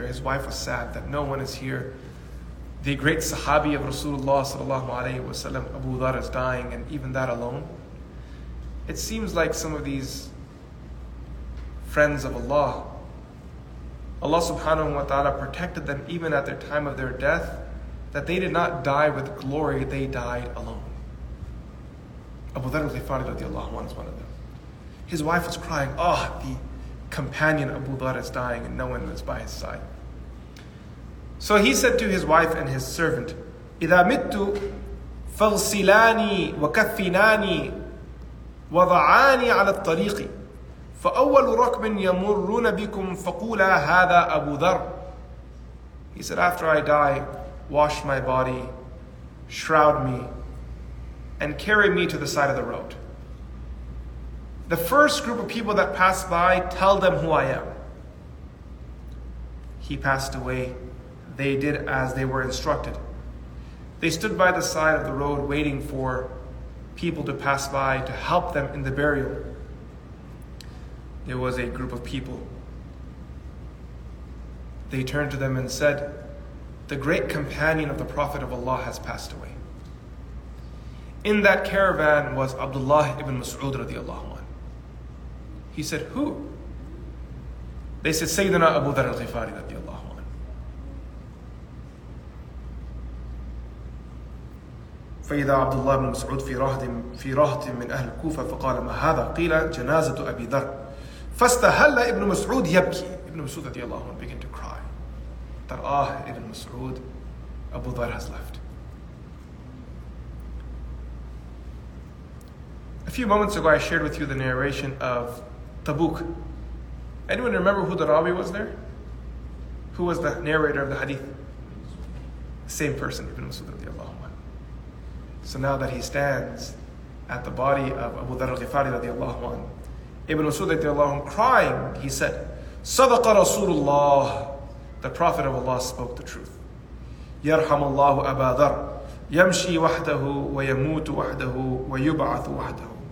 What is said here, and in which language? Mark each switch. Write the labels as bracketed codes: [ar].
[en] His wife was sad that no one is here. The great Sahabi of Rasulullah sallallahu alayhi wa sallam, Abu Dhar, is dying, and even that alone, it seems like some of these friends of Allah, Allah subhanahu wa ta'ala protected them even at their time of their death, that they did not die with glory, they died alone. Abu Dhar al-Ghifari radiallahu anhu is one of them. His wife was crying, oh, the companion Abu Dhar is dying and no one was by his side. So he said to his wife and his servant, [ar] إِذَا مِتُّ فَغْسِلَانِي وَكَفِّنَانِي وَضَعَانِي عَلَى الطَّرِيقِ فَأَوَّلُ رَكْبٍ يَمُرُّونَ بِكُمْ فَقُولَا هَذَا أَبُو ذَرْ. [en] He said, after I die, wash my body, shroud me, and carry me to the side of the road. The first group of people that pass by, tell them who I am. He passed away. They did as they were instructed. They stood by the side of the road waiting for people to pass by to help them in the burial. There was a group of people. They turned to them and said, the great companion of the Prophet of Allah has passed away. In that caravan was Abdullah ibn Mas'ud radiallahu anhu. He said, who? They said, Sayyidina Abu Dhar al-Ghifari radiallahu anhu. [ar] فإذا عبد الله بن مسعود في رهط في رهط من أهل الكوفة فقال ما هذا قيل جنازة أبي ذر فاستهل ابن مسعود يبكي. [en] Ibn Mas'ud radiallahu anhu began to cry that Ibn Mas'ud, Abu Dhar has left. A few moments ago I shared with you the narration of Tabuk. Anyone remember who the Rabi was there? Who was the narrator of the hadith? Same person, Ibn Mas'ud radiallahu anhu. So now that he stands at the body of Abu Dhar al-Ghifari radiallahu anhu, Ibn Mas'ud radiallahu anhu crying, he said, [ar] صدق رسول الله, [en] the Prophet of Allah spoke the truth. [ar] يرحم الله أبا ذر يمشي وحده ويموت وحده ويبعث وحده.